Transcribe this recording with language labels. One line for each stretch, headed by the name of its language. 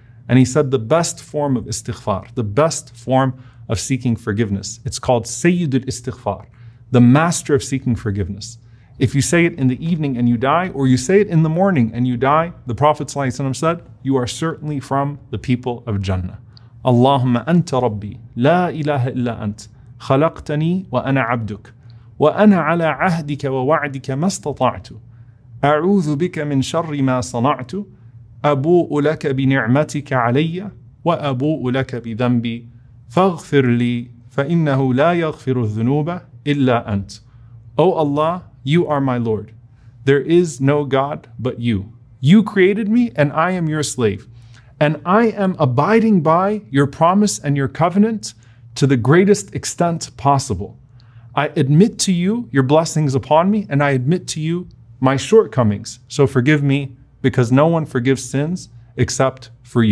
English: And he said the best form of istighfar, the best form of seeking forgiveness, it's called Sayyidul Istighfar, the master of seeking forgiveness. If you say it in the evening and you die, or you say it in the morning and you die, the Prophet ﷺ said, you are certainly from the people of Jannah.
Arabic: اللهم أنت ربي لا إله إلا أنت خلقتني وأنا عبدك وأنا على عهدك ووعدك ما استطعت أعوذ بك من شر ما صنعت أبوء لك بنعمتك علي وأبوء لك بذنبي فاغفر لي فإنه لا يغفر الذنوب إلا أنت.
English: O Allah, you are my Lord. There is no God but you. You created me and I am your slave. And I am abiding by your promise and your covenant to the greatest extent possible. I admit to you your blessings upon me, and I admit to you my shortcomings. So forgive me, because no one forgives sins except for you.